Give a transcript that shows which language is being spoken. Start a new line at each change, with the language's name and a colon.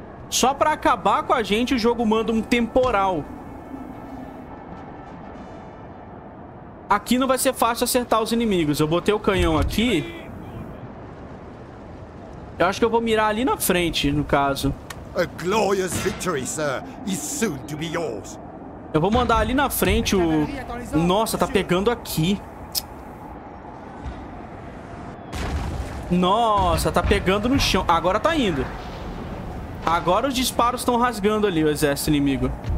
Portuguese: Só pra acabar com a gente, o jogo manda um temporal. Aqui não vai ser fácil acertar os inimigos. Eu botei o canhão aqui. Eu acho que eu vou mirar ali na frente, no caso.
English: A glorious victory, sir, is soon to be yours.
Portuguese: Eu vou mandar ali na frente o... Nossa, tá pegando aqui. Nossa, tá pegando no chão. Agora tá indo. Agora os disparos estão rasgando ali o exército inimigo.